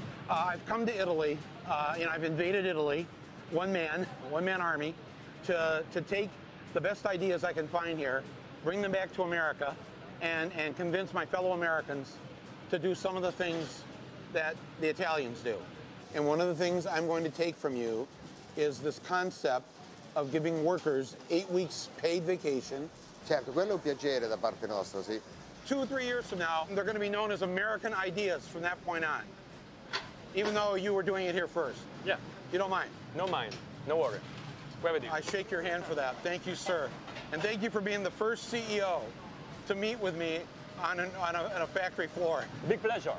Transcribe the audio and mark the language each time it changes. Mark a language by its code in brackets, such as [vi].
[en] I've come to Italy, and I've invaded Italy, one-man army, to take the best ideas I can find here, bring them back to America, and convince my fellow Americans to do some of the things that the Italians do. And one of the things I'm going to take from you is this concept of giving workers 8 weeks paid vacation. [it] Certo, quello è un piacere da parte nostra, sì. [en] 2 or 3 years from now, they're going to be known as American ideas from that point on. Even though you were doing it here first. Yeah. You don't mind? No mind. No worry. Where are you? I shake your hand for that. Thank you, sir. And thank you for being the first CEO to meet with me on a factory floor. Big pleasure.